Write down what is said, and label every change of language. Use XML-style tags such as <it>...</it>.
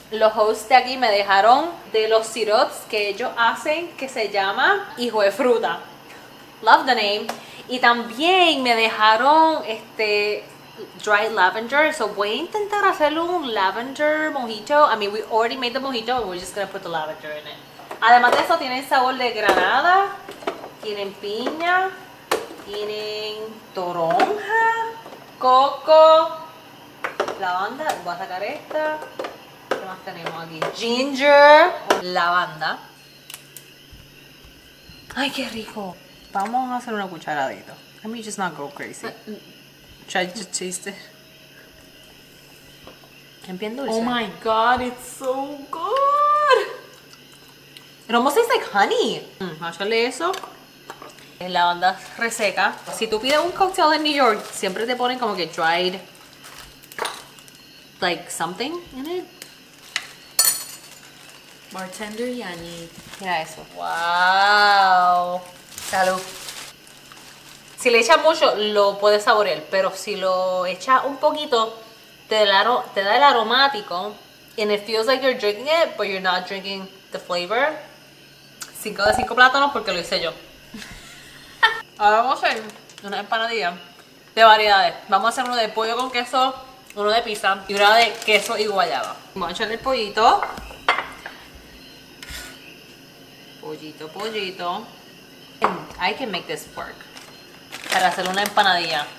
<es>Los hosts de aquí me dejaron de los sirops que ellos hacen, que se llama Hijo de Fruta.</es> <en>Love the name.</en> <es>Y también me dejaron este dry lavender. So voy a intentar hacerle un lavender mojito.</es> <en>I mean, we already made the mojito, but we're just gonna put the lavender in it.</en> <es>Además de eso, tienen sabor de granada, tienen piña, tienen toronja, coco, lavanda. Voy a sacar esta. ¿Qué más tenemos aquí? Ginger, lavanda. Ay, qué rico. Vamos a hacer una cucharadita.</es> <en>Let me just not go crazy. Try to taste it.</en> <es>Es bien dulce.</es> <en>Oh my god, it's so good. It almost tastes like honey.</en> <es>Háchale eso. En la banda reseca. Si tú pides un cocktail en New York, siempre te ponen como que dried,</es> <en>like something in it.</en> <es>Bartender Yanni. Mira eso.</es> <en>Wow.</en> <es>Salud. Si le echas mucho, lo puedes saborear, pero si lo echas un poquito, te da el aromático.</es> <en>And it feels like you're drinking it, but you're not drinking the flavor.</en> <es>5 de 5 plátanos porque lo hice yo. Ahora vamos a hacer una empanadilla de variedades. Vamos a hacer uno de pollo con queso, uno de pizza y una de queso y guayaba. Vamos a echarle el pollito.</es> <en>Pollito. I can make this work.</en> <es>Para hacer una empanadilla.</es>